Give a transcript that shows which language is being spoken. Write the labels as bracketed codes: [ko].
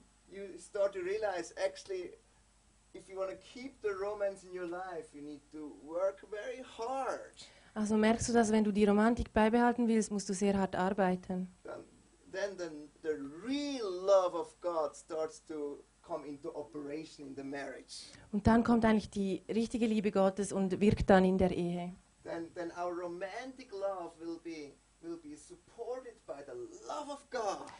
[en] You start to realize, actually, if you want to keep the romance in your life, you need to work very hard. [de] Also merkst du, dass wenn du die Romantik beibehalten willst, musst du sehr hart arbeiten. [en] Then the real love of God starts to come into operation in the marriage. [de] Und dann kommt eigentlich die richtige Liebe Gottes und wirkt dann in der Ehe. [en] Then our romantic love will be supported by the love of God.